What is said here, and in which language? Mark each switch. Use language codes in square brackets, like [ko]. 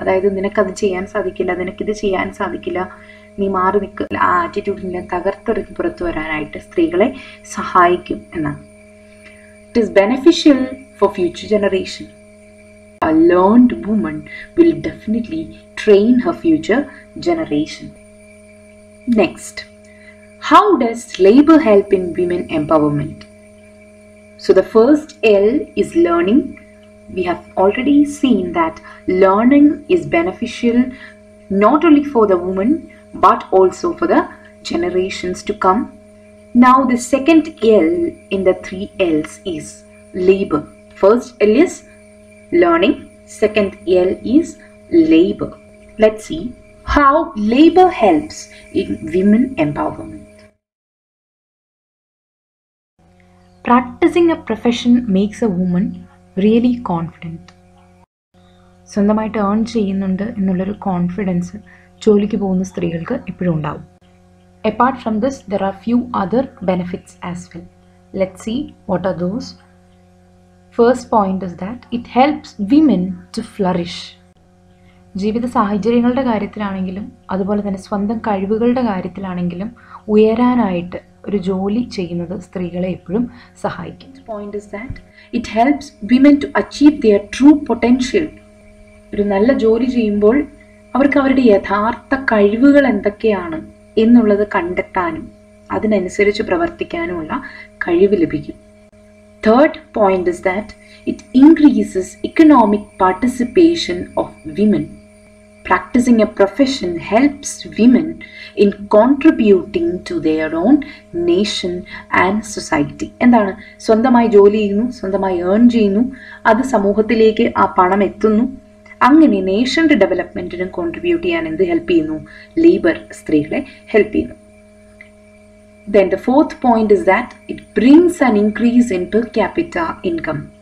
[ml] അതായത് നിനക്കത് ചെയ്യാൻ സാധിക്കില്ല, നിനക്കിത് ചെയ്യാൻ സാധിക്കില്ല, നീ മാറി നിൽക്ക, ആ ആറ്റിറ്റ്യൂഡിനെ തകർത്തെറിഞ്ഞ് പുറത്തു വരാനായിട്ട് സ്ത്രീകളെ സഹായിക്കും എന്നാണ്. [en] It is beneficial for future generation. A learned woman will definitely train her future generation. Next, how does labour help in women empowerment? So the first L is learning. We have already seen that learning is beneficial not only for the woman but also for the generations to come. Now the second L in the three L's is labor. First L is learning, second L is labor. Let's see how labor helps in women empowerment. Practicing a profession makes a woman really confident. [ml] സ്വന്തമായിട്ട് earn ചെയ്യുന്നുണ്ട് എന്നുള്ളൊരു confidence ജോലിക്ക് പോകുന്ന സ്ത്രീകൾക്ക് എപ്പോഴും ഉണ്ടാവും. [en] Apart from this there are few other benefits as well. Let see what are those. First point is that it helps women to flourish. [ml] ജീവിത സാഹചര്യങ്ങളുടെ കാര്യത്തിലാണെങ്കിലും അതുപോലെ തന്നെ സ്വന്തം കഴിവുകളുടെ കാര്യത്തിലാണെങ്കിലും ഉയരാനായിട്ട് ഒരു ജോലി ചെയ്യുന്നത് സ്ത്രീകളെ എപ്പോഴും സഹായിക്കും. [en] Point is that it helps women to achieve their true potential. [ml] ഒരു നല്ല ജോലി ചെയ്യുമ്പോൾ അവർക്ക് അവരുടെ യഥാർത്ഥ കഴിവുകൾ എന്തൊക്കെയാണ് എന്നുള്ളത് കണ്ടെത്താനും അതിനനുസരിച്ച് പ്രവർത്തിക്കാനുമുള്ള കഴിവ് ലഭിക്കും. [en] Third point is that it increases economic participation of women. Practicing a profession helps women in contributing to their own nation and society. [ml] എന്താണ്? സ്വന്തമായി ജോലി ചെയ്യുന്നു, സ്വന്തമായി ഏൺ ചെയ്യുന്നു, അത് സമൂഹത്തിലേക്ക് ആ പണം എത്തുന്നു, അങ്ങനെ നേഷൻ്റെ ഡെവലപ്മെൻറ്റിനും കോൺട്രിബ്യൂട്ട് ചെയ്യാൻ എന്ത് ഹെൽപ്പ് ചെയ്യുന്നു? ലേബർ സ്ത്രീകളെ ഹെൽപ്പ് ചെയ്യുന്നു. [en] Then the fourth point is that it brings an increase in per capita income.